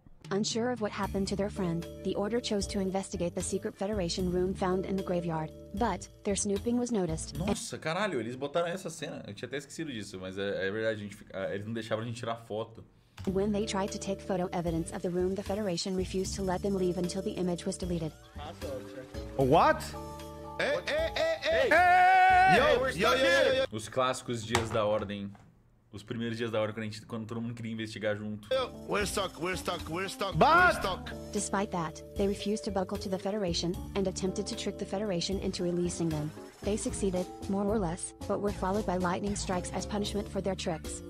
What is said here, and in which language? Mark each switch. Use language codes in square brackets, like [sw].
[en] Unsure of what happened to their friend, the Order chose to investigate the secret Federation room found in the graveyard. But their snooping was noticed. [pt] Nossa, caralho, eles botaram essa cena. Eu tinha até esquecido disso, mas é verdade, eles não deixavam a gente tirar foto. [en] When they tried to take photo evidence of the room, the Federation refused to let them leave until the image was deleted. What? [pt] Yo, os clássicos dias da ordem. Os primeiros dias da ordem quando todo mundo queria investigar junto. [en] We're stuck. But despite that, they refused to buckle to the Federation and attempted to trick the Federation into releasing them. They succeeded, more or less, but were followed by lightning strikes as punishment for their tricks.